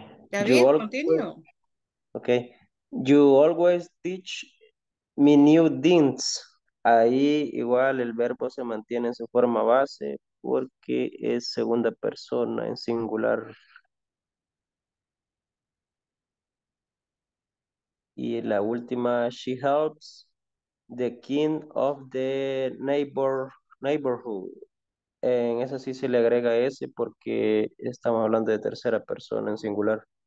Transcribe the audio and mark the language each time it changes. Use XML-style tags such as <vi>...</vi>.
<en>David, you all, continue. Okay. You always teach me new things.</en> <es>Ahí igual el verbo se mantiene en su forma base porque es segunda persona en singular. Y la última,</es> <en>she helps the king of the neighborhood.</en> <es>En esa sí se le agrega S porque estamos hablando de tercera persona en singular.</es>